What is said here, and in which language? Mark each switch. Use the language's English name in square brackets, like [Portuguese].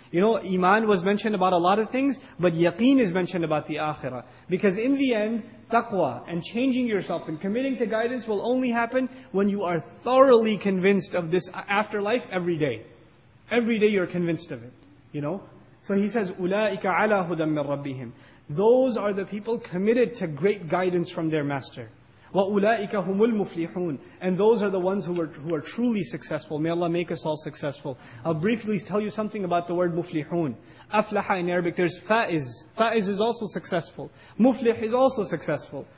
[English] You know, iman was mentioned about a lot of things, but yaqeen is mentioned about the akhirah. Because in the end, taqwa and changing yourself and committing to guidance will only happen when you are thoroughly convinced of this afterlife every day. Every day you're convinced of it. You know? So he says, [Arabic] أُولَٰئِكَ عَلَىٰ هُدًى مِّن رَبِّهِمْ. [English] Those are the people committed to great guidance from their master. [Arabic] وَأُولَٰئِكَ هُمُ الْمُفْلِحُونَ. [English] And those are the ones who are truly successful. May Allah make us all successful. I'll briefly tell you something about the word muflihun. Aflaha in Arabic, there's fa'iz. Fa'iz is also successful. Muflih is also successful.